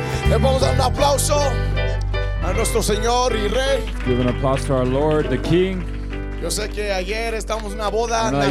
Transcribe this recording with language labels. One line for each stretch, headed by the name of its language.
Spanish: Vamos a dar un aplauso a nuestro Señor y Rey.
English: Give an applause to our Lord, the King.
Spanish: Yo sé que ayer estamos en una boda natural.